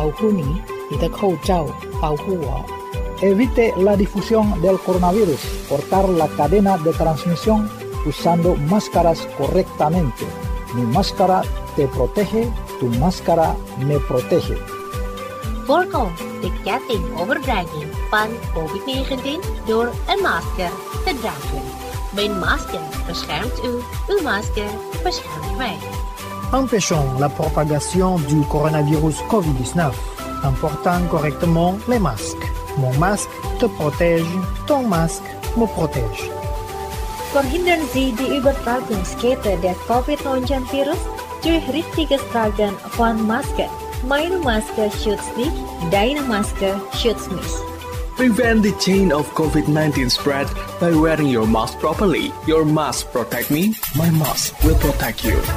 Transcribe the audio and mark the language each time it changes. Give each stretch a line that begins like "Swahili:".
Chinese: 让正确佩戴口罩，以防止新型冠状病毒肺炎的传播。我的口罩保护你，你的口罩保护我。
Spanish: Evite la difusión del coronavirus. Cortar la cadena de transmisión usando máscaras correctamente. Mi máscara te protege, tu máscara me protege.
Dutch: Voorkom de ketting overdragging van COVID-19 door een masker te dragen. Mijn masker beschermt u, uw masker beschermt mij.
French: Empêchons la propagation du coronavirus COVID-19 en portant correctement les masques. Mon masque te protège, ton masque me protège.
German: Verhindern Sie die Übertragungskette der COVID-19 Virus durch richtiges Tragen von Maske. Meine Maske schützt dich, deine Maske schützt mich.
English: Prevent the chain of COVID-19 spread by wearing your mask properly. Your mask protect me, my mask will protect you.